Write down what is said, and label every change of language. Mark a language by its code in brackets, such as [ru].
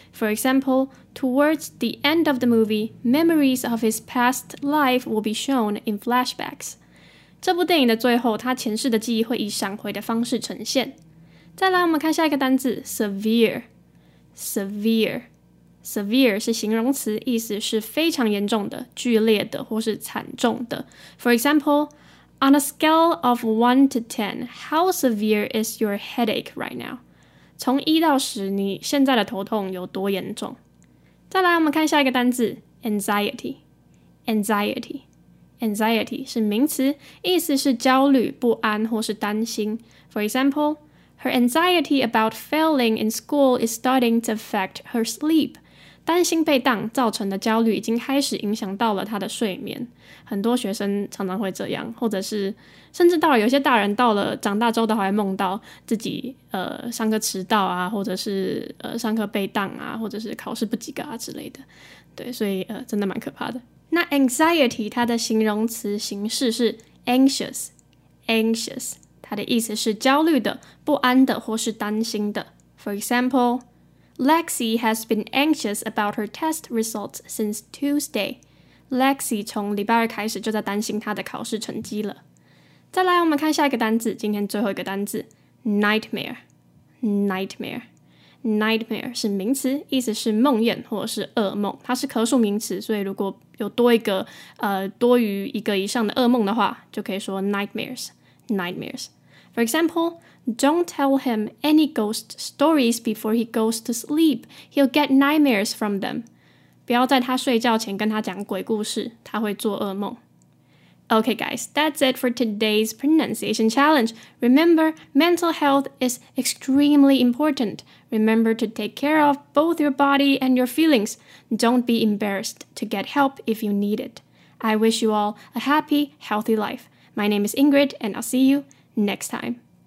[en] For example, towards the end of the movie, memories of his past life will be shown in flashbacks. [zh] 这部电影的最后，他前世的记忆会以闪回的方式呈现。再来我们看下一个单字 severe. Severe. Severe 是形容词，意思是非常严重的、剧烈的或是惨重的。 [en] For example, on a scale of 1 to 10, how severe is your headache right now? [zh] 从1到10，你现在的头痛有多严重？再来我们看下一个单字 anxiety。anxiety anxiety 是名词，意思是焦虑、不安或是担心。 [en] For example, her anxiety about failing in school is starting to affect her sleep. [zh] 担心被当造成的焦虑已经开始影响到了她的睡眠。很多学生常常会这样，或者是甚至到了有些大人到了长大之后都还梦到自己上课迟到啊，或者是上课被当啊，或者是考试不及格啊之类的。对，所以真的蛮可怕的。那 anxiety 它的形容词形式是 anxious。 anxious 它的意思是焦虑的、不安的或是担心的。 [en] For example, Lexi has been anxious about her test results since Tuesday. [zh] Lexi 从礼拜二开始就在担心她的考试成绩了。再来我们看下一个单字，今天最后一个单字 Nightmare。 Nightmare Nightmare 是名词，意思是梦魇或者是噩梦。它是可数名词，所以如果有多一个多于一个以上的噩梦的话，就可以说 Nightmares。 [en] Nightmares For example, don't tell him any ghost stories before he goes to sleep. He'll get nightmares from them. [zh] 不要在他睡觉前跟他讲鬼故事，他会做噩梦。 [en] Okay guys, that's it for today's pronunciation challenge. Remember, mental health is extremely important. Remember to take care of both your body and your feelings. Don't be embarrassed to get help if you need it. I wish you all a happy, healthy life. My name is Ingrid, and I'll see you next time.